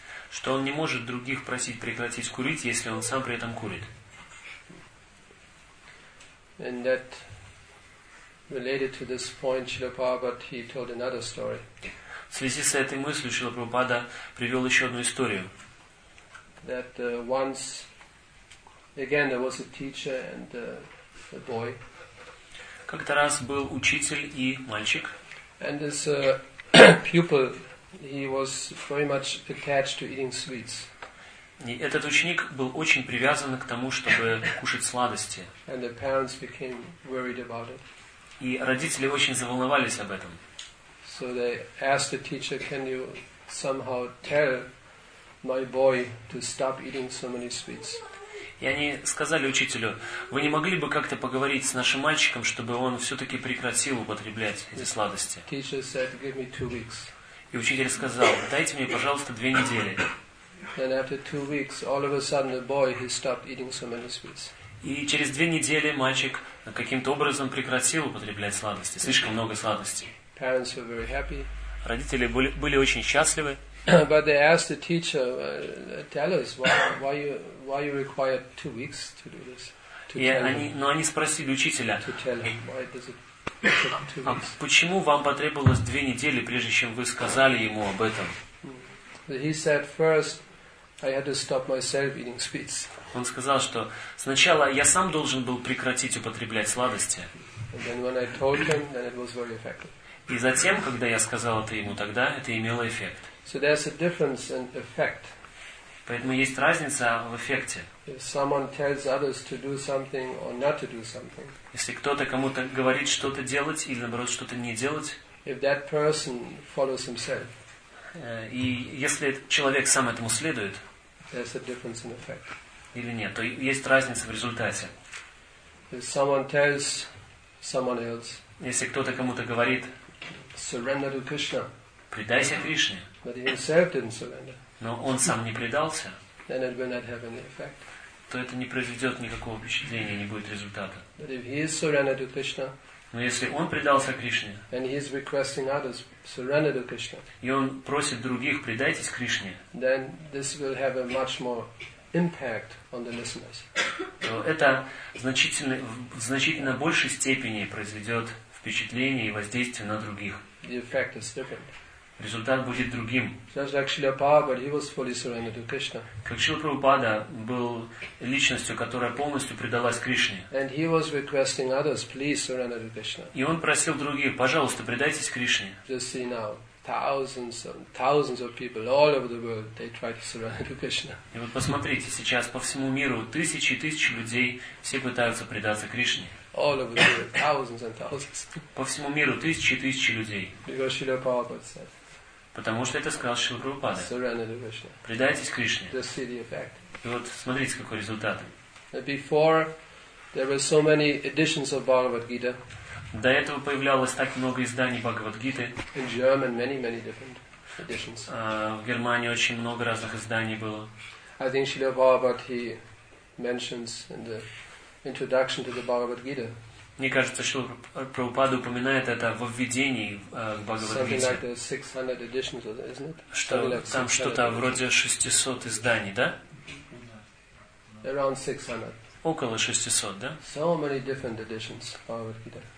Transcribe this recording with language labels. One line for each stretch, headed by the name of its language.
Russian: Что он не может других просить прекратить курить, если он сам при этом курит.
English: And that related to this point, Шрила Прабхупада, he told another story.
Russian: В связи с этой мыслью Шрила Прабхупада привел еще одну историю.
English: That once again there was a teacher and a boy.
Russian: Как-то раз был учитель и мальчик.
English: And this pupil, he was very much attached to eating sweets.
Russian: И этот ученик был очень привязан к тому, чтобы кушать сладости.
English: And the parents became worried about it.
Russian: И родители очень заволновались об этом.
English: So they asked the teacher, "Can you somehow tell my boy to stop eating so many sweets?"
Russian: И они сказали учителю: «Вы не могли бы как-то поговорить с нашим мальчиком, чтобы он все-таки прекратил употреблять эти сладости?»
English: Teacher said, "Give me 2 weeks."
Russian: И учитель сказал: «Дайте мне, пожалуйста, 2 недели».
English: And after 2 weeks, all of a sudden, the boy he stopped eating so many sweets.
Russian: И через 2 недели мальчик каким-то образом прекратил употреблять сладости, слишком много сладостей.
English: Parents were very happy.
Russian: Родители были очень счастливы.
English: But they asked the teacher, "Tell us why you required 2 weeks to do this?"
Russian: Они спросили учителя.
English: To tell him why does it take 2 weeks?
Russian: А почему вам потребовалось 2 недели, прежде чем вы сказали ему об этом?
English: He said, "First, I had to stop myself eating sweets."
Russian: Он сказал, что сначала я сам должен был прекратить употреблять сладости.
English: And then when I told him, then it was very effective.
Russian: И затем, когда я сказал это ему, тогда это имело эффект.
English: So there's a difference in effect.
Russian: Поэтому есть разница в эффекте.
English: If someone tells others to do something or not to do something.
Russian: Если кто-то кому-то говорит что-то делать или наоборот что-то не делать.
English: If that person follows himself.
Russian: И если человек сам этому следует.
English: There's a difference in effect.
Russian: Или нет, то есть разница в результате.
English: If someone tells someone else.
Russian: Если кто-то кому-то говорит.
English: Surrender to Krishna.
Russian: Предайся Кришне.
English: But he himself didn't surrender.
Russian: Но он сам не предался.
English: Then it will not have any effect.
Russian: То это не произведет никакого впечатления, не будет результата.
English: But if he is surrendered to Krishna.
Russian: Но если он предался Кришне.
English: And he is requesting others surrender to Krishna.
Russian: И он просит других: предайтесь Кришне.
English: Then this will have a much more impact on the listeners.
Russian: То это в значительно большей степени произведет впечатление и воздействие на других.
English: The effect is different.
Russian: Результат будет другим. Как Шрила Прабхупада был личностью, которая полностью предалась Кришне.
English: And he was requesting others, please surrender to Krishna.
Russian: И он просил других, пожалуйста, предайтесь Кришне.
English: Just see now, thousands of people all over the world, they try to surrender to Krishna.
Russian: И вот посмотрите, сейчас по всему миру тысячи и тысячи людей все пытаются предаться Кришне.
English: All over the world, thousands and thousands.
Russian: По всему миру тысячи и тысячи людей.
English: Because Shrila Prabhupada said.
Russian: Потому что это сказал Шрила Прабхупада.
English: Surrender to Krishna.
Russian: Предайтесь Кришне.
English: Just see the effect.
Russian: И вот смотрите, какой результат.
English: Before there were so many editions of Bhagavad Gita.
Russian: До этого появлялось так много изданий Бхагавад-гиты.
English: In German, many different editions.
Russian: В Германии очень много разных изданий было.
English: I think Shrila Prabhupada, he mentions in the introduction to the Bhagavad Gita.
Russian: Мне кажется, что Прабхупада упоминает это во введении к Бхагавад-гите. Что там что-то вроде 600 изданий, да?
English: Around 600.
Russian: Около 600, да?
English: So many different editions of Bhagavad-gita.